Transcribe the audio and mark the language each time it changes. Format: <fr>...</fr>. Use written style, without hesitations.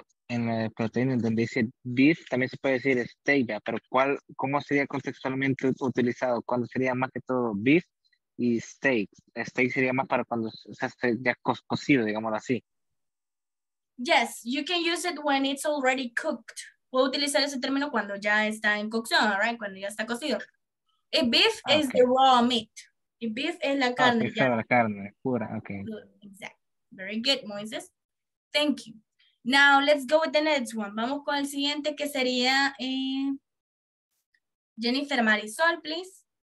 <es>En la proteína donde dice beef, también se puede decir stevia, pero ¿cuál, cómo sería contextualmente utilizado? ¿Cuándo sería más que todo beef y steak? Steak sería más para cuando se hace ya cocido, digámoslo así.</es> <en>Yes, you can use it when it's already cooked.</en> <es>Puedo utilizar ese término cuando ya está en cocción,</es> <en>right?</en> <es>Cuando ya está cocido.</es> <en>A beef okay. Is the raw meat.</en> <es>A beef es la carne. Okay, ya. La carne pura, okay.</es> <en>Exactly. Very good, Moises. Thank you. Now, let's go with the next one.</en> <es>Vamos con el siguiente que sería Jennifer Marisol,</es> <en>please.</en>